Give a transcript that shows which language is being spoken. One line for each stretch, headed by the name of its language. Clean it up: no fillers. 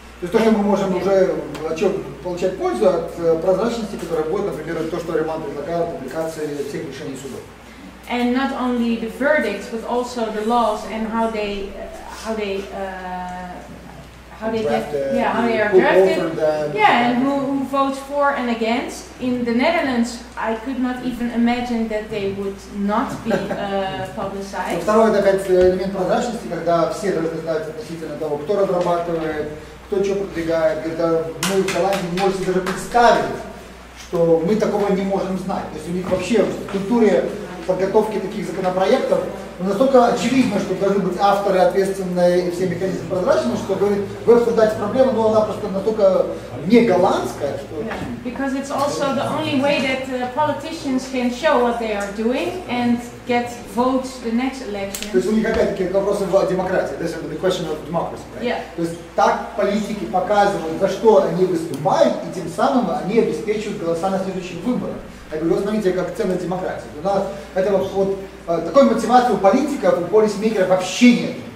Russian: То есть то, что мы можем уже о чем получать пользу от прозрачности, которая будет, например, то, что Роман предлагал, публикации всех решений судов.
English: And not only the verdicts, but also the laws and how they are drafted, and who votes for and against. In the Netherlands, I could not even imagine that they would not be publicized.
Russian: Второй опять элемент прозрачности, когда все должны знать относительно того, кто разрабатывает. Кто что продвигает, когда мы в Голландии не можете даже представить, что мы такого не можем знать. То есть у них вообще в структуре подготовки таких законопроектов настолько очевидно, что должны быть авторы ответственные и все механизмы прозрачны, что говорит, вы обсуждаете проблему, но она просто настолько не голландская, что.
English: Yeah, because it's also the only way that politicians can show what they are doing and get votes the next election.
Russian: То есть у них опять-таки вопросы в демократии.
English: This is the question of democracy, right? Yeah.
Russian: То есть так политики показывают, за что они выступают, и тем самым они обеспечивают голоса на следующих выборах. Я говорю, вот смотрите, как ценность демократии. У нас этого вот такой мотивации у политиков, у полисмейкеров вообще нет.